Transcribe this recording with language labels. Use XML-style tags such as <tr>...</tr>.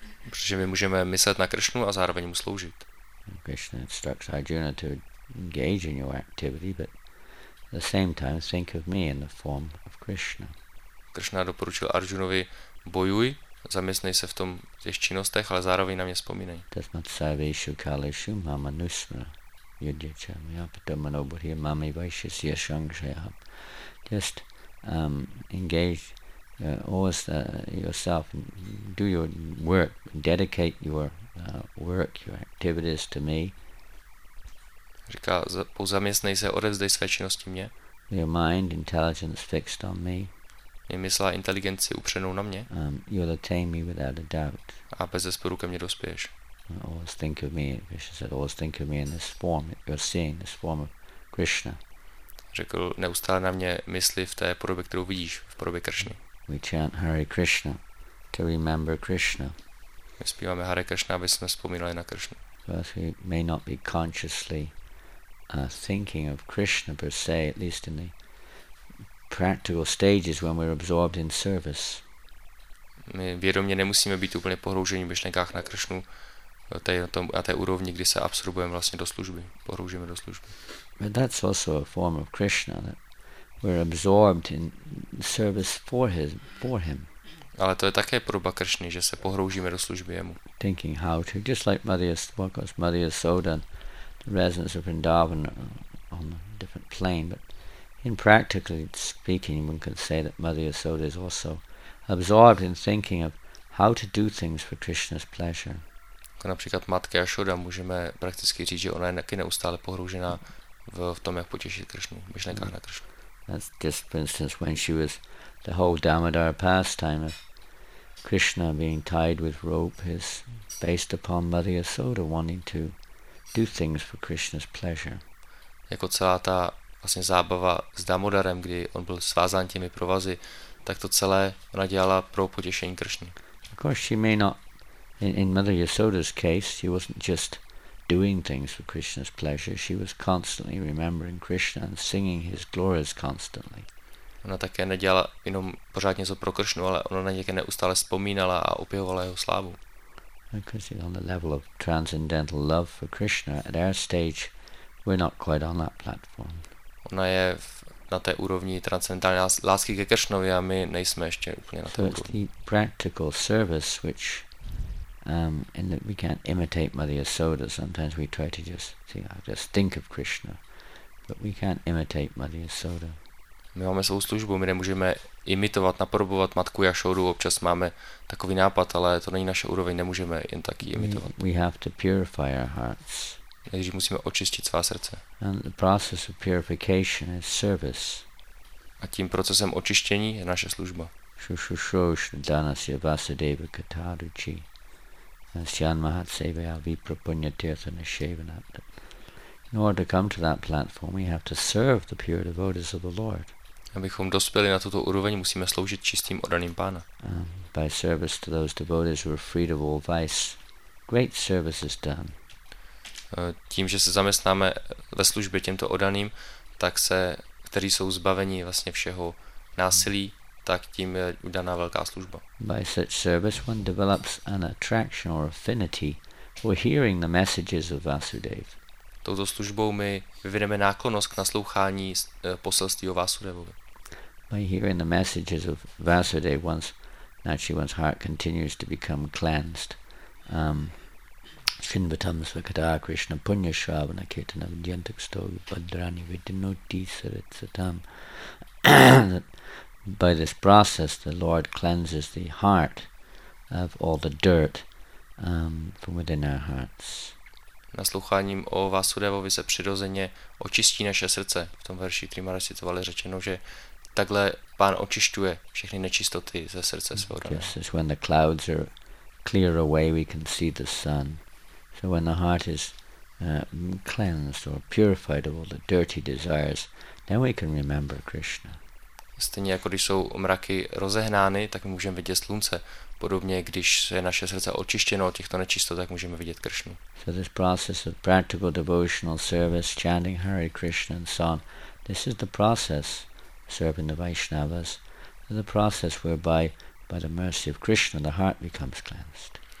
<cs>Protože my můžeme myslet na Kršnu a zároveň mu sloužit.</cs> <en>Krishna instructs Arjuna to engage in your activity, but at the same time think of me in the form of Krishna.</en> <cs>Krishna doporučil Arjunovi, bojuj, zaměstnej se v tom těch činnostech, ale zároveň na mě vzpomínej.</cs> <sa>Tasmat sarveshu kaleshu mama nusmara yudhyacham yapitamano buddhi mami vaishasya shangshaya.</sa> <en>Just engage yourself, do your work, dedicate your work, your activities to me.</en> <cs>Říká, pozaměstnej se, odevzdej své činnosti mě.</cs> <en>Your mind, intelligence fixed on me.</en> <cs>Je mysl a inteligenci upřenou na mě.</cs> <en>You'll attain me without a doubt.</en> <cs>A bez zesporu ke mně dospěješ.</cs> <en>Always think of me, Vishnu said, always think of me in this form, you're seeing this form of Krishna.</en> <cs>Řekl, neustále na mě mysli v té podobě, kterou vidíš, v podobě Krishna.</cs> <en>We chant Hare Krishna to remember Krishna.</en> <cs>My zpíváme Hare Krishna, aby jsme vzpomínali na Krishnu.</cs> <en>Because we may not be consciously thinking of Krishna per se, at least in the practical stages when we're absorbed in service.</en> <cs>My vědomě nemusíme být úplně pohroužení v myšlenkách na Krishnu, na té úrovni, kdy se absorbujeme vlastně do služby, pohroužíme do služby.</cs> <en>But that's also a form of Krishna, that we're absorbed in service for him.</en> <cs>Ale to je také podoba Krishny, že se pohroužíme do služby jemu.</cs> <en>Thinking how to, just like Mother Yasoda and the residents of Vrindavan on a different plane, but in practically speaking, one can say that Mother Yasoda is also absorbed in thinking of how to do things for Krishna's pleasure.</en> <cs>Jako například matka Yashoda, můžeme prakticky říct, že ona je taky neustále pohroužená v tom, jak potěšit Krishnu, v myšlenkách na Krishnu.</cs> <en>That's just for instance when she was the whole Damodara pastime of Krishna being tied with rope is based upon Mother Yasoda wanting to do things for Krishna's pleasure.</en> <cs>Jako celá ta vlastně zábava s Damodarem, kdy on byl svázán těmi provazy, tak to celé ona dělala pro potěšení Krishny.</cs> <en>Of course she may not, in Mother Yasoda's case, she wasn't just doing things for Krishna's pleasure, she was constantly remembering Krishna and singing his glories constantly.</en> <cs>Ona také nedělala jenom pořád něco pro Krishnu, ale ona na něj neustále vzpomínala a opěvovala jeho slávu.</cs> <en>Because on the level of transcendental love for Krishna, at our stage, we're not quite on that platform.</en> <cs>Ona je na té úrovni transcendentální lásky ke Krishnovi a my nejsme ještě úplně na té úrovni.</cs> <en>So it's the practical service which in that we can't imitate Mother Yasoda. Sometimes we try to just think of Krishna, but we can't imitate Mother Yasoda.</en> <cs>My máme svou službu, my nemůžeme imitovat, napodobovat matku Yashodu. Občas máme takový nápad, ale to není naše úroveň, nemůžeme jen tak imitovat.</cs> <en>We have to purify our hearts.</en> <cs>Takže musíme očistit svá srdce.</cs> <en>And the process of purification is service.</en> <cs>A tím procesem očištění je naše služba.</cs> <sa>Shushushush dhanasya vasudeva kataruchi asyan mahatsevaya viprapunyatirtha nishevanatta.</sa> <en>In order to come to that platform, we have to serve the pure devotees of the Lord.</en> <cs>Abychom dospěli na tuto úroveň, musíme sloužit čistým oddaným Pána.</cs> <en>By service to those devotees who are freed of all vice, great service is done.</en> <cs>Tím, že se zaměstnáme ve službě těmto oddaným, tak se, kteří jsou zbaveni vlastně všeho násilí, tak tím je udaná velká služba.</cs> <en>By such service, one develops an attraction or affinity for hearing the messages of Vasudeva.</en> <cs>Touto službou my vyvineme náklonnost k naslouchání poselství o Vasudevovi.</cs> <en>By hearing the messages of Vasudeva, one's heart continues to become cleansed.</en> <sa>Shinvatam svakata Krishna punya shravana ketana vidyantak stovi padrani vidinoti saritsatam.</sa> <en>By this process the Lord cleanses the heart of all the dirt from within our hearts.</en> <cs>Nasloucháním o Vasudevovi se přirozeně očistí naše srdce. V tom verši, který má recitovali, řečeno, že takhle Pán očišťuje všechny nečistoty ze srdce svého.</cs> <en>Just as when the clouds are clear away, we can see the sun. So when the heart is cleansed or purified of all the dirty desires, then we can remember Krishna.</en> <cs>Stejně jako když jsou mraky rozehnány, tak můžeme vidět slunce. Podobně, když je naše srdce očištěno od těchto nečistot, tak můžeme vidět Krishnu.</cs> <en>So this process of practical devotional service, chanting Hare Krishna and so on, this is the process, serving the Vaishnavas, the process whereby, by the mercy of Krishna, the heart becomes cleansed.</en>